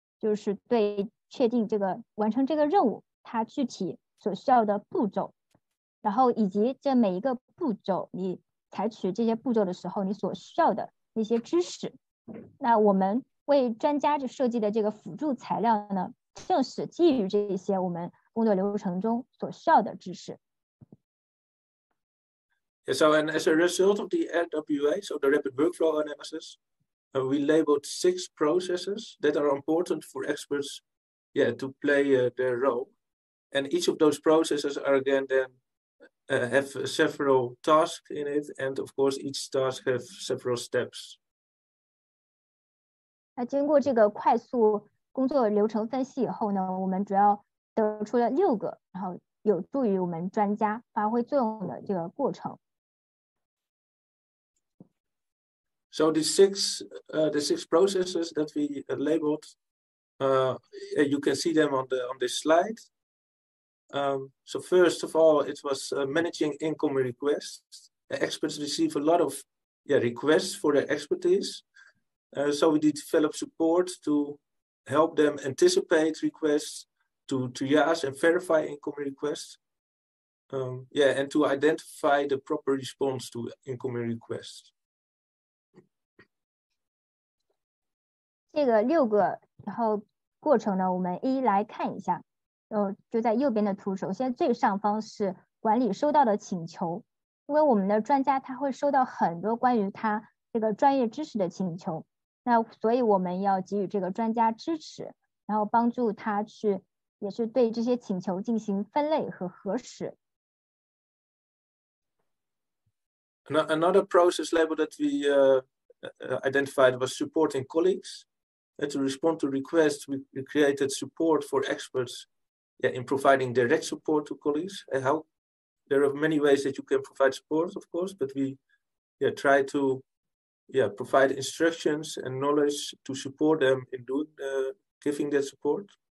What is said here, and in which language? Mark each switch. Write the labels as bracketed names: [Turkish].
[Chinese] 就是对确定这个完成这个任务它具体所需要的步骤，然后以及这每一个步骤你采取这些步骤的时候你所需要的那些知识。那我们为专家就设计的这个辅助材料呢，正是基于这些我们工作流程中所需要的知识。 [English] Yeah, so, and as a result of the RWA, so the rapid workflow analysis, we labeled 6 processes that are important for experts, yeah, to play their role. And each of those processes are again then have several tasks in it, and of course, each task have several steps. [Chinese] 那经过这个快速工作流程分析以后呢，我们主要得出了六个，然后有助于我们专家发挥作用的这个过程。 [English] So the six processes that we labeled, you can see them on this slide. So first of all, it was managing income requests. Experts receive a lot of requests for their expertise. So we did develop support to help them anticipate requests, to triage and verify income requests. And to identify the proper response to income requests. [Chinese] 这个六个然后过程呢，我们一一来看一下。就在右边的图，首先最上方是管理收到的请求，因为我们的专家他会收到很多关于他这个专业知识的请求，那所以我们要给予这个专家支持，然后帮助他去也是对这些请求进行分类和核实。 [English] Another process label that we identified was supporting colleagues. And to respond to requests, we created support for experts in providing direct support to colleagues. And how, there are many ways that you can provide support, of course, but we try to provide instructions and knowledge to support them in doing, giving that support.